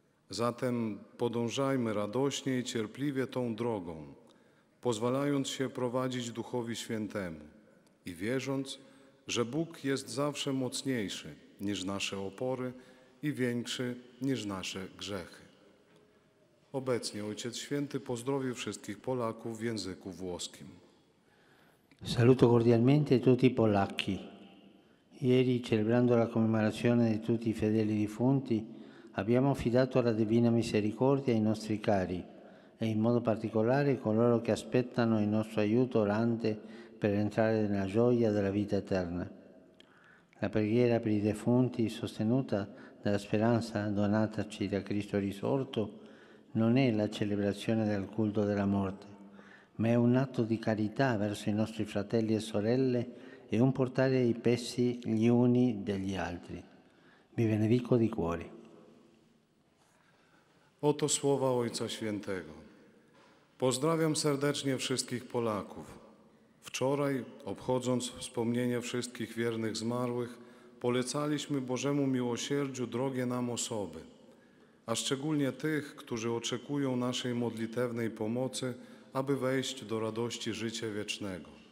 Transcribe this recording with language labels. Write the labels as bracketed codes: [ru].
[pl] Zatem podążajmy radośnie i cierpliwie tą drogą, pozwalając się prowadzić Duchowi Świętemu i wierząc, że Bóg jest zawsze mocniejszy niż nasze opory i większy niż nasze grzechy. Obecnie Ojciec Święty pozdrowi wszystkich Polaków w języku włoskim. [it] Saluto cordialmente tutti i polacchi. Ieri, celebrando la commemorazione di tutti i fedeli defunti, abbiamo affidato la Divina Misericordia ai nostri cari e in modo particolare coloro che aspettano il nostro aiuto orante per entrare nella gioia della vita eterna. La preghiera per i defunti, sostenuta dalla speranza donataci da Cristo risorto, non è la celebrazione del culto della morte, ma è un atto di carità verso i nostri fratelli e sorelle e un portare i pesi gli uni degli altri. Vi benedico di cuore. [pl] Oto słowa Ojca Świętego. Pozdrawiam serdecznie wszystkich Polaków. Wczoraj, obchodząc wspomnienie wszystkich wiernych zmarłych, polecaliśmy Bożemu Miłosierdziu drogie nam osoby, a szczególnie tych, którzy oczekują naszej modlitewnej pomocy, aby wejść do radości życia wiecznego.